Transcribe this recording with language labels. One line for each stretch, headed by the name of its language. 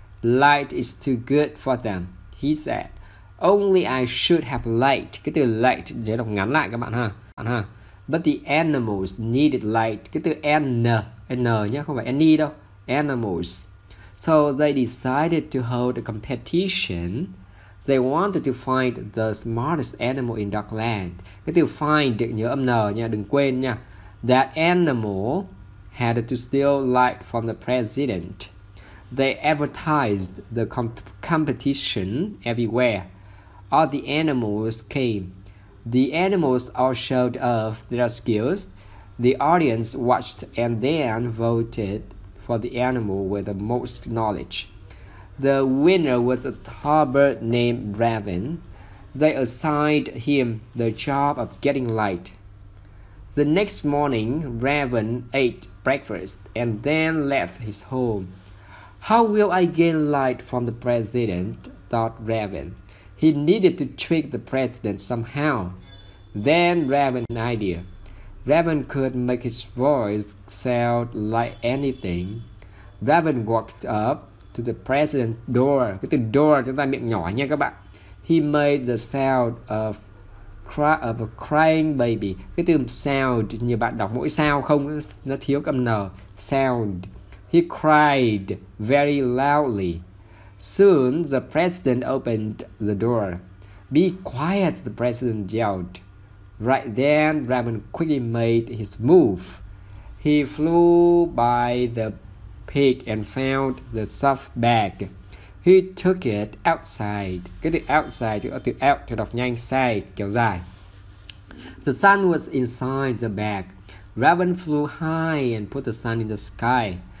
English: Light is too good for them, he said. Only I should have light.
Vietnamese: Cái từ light để đọc ngắn lại các bạn ha.
English: But the animals needed light.
Vietnamese: Cái từ N nhé, không phải any đâu.
English: Animals. So they decided to hold a competition. They wanted to find the smartest animal in Darkland.
Vietnamese: Cái từ find nhớ âm N nha, đừng quên nha.
English: That animal had to steal light from the president. They advertised the competition everywhere. All the animals came. The animals all showed off their skills. The audience watched and then voted for the animal with the most knowledge. The winner was a tauber named Raven. They assigned him the job of getting light. The next morning, Raven ate breakfast and then left his home. How will I gain light from the president? Thought Raven. He needed to trick the president somehow. Then Raven had an idea. Raven could make his voice sound like anything. Raven walked up to the president's door.
Vietnamese: Cái từ door chúng ta miệng nhỏ nha các bạn.
English: He made the sound of a crying baby.
Vietnamese: Cái từ sound như bạn đọc mỗi sao không, nó thiếu âm n.
English: Sound. He cried very loudly. Soon, the president opened the door. Be quiet, the president yelled. Right then, Raven quickly made his move. He flew by the pig and found the soft bag. He took it outside.
Vietnamese: Cái từ outside, chữ out, chữ đọc nhanh, side, kéo dài.
English: The sun was inside the bag. Raven flew high and put the sun in the sky.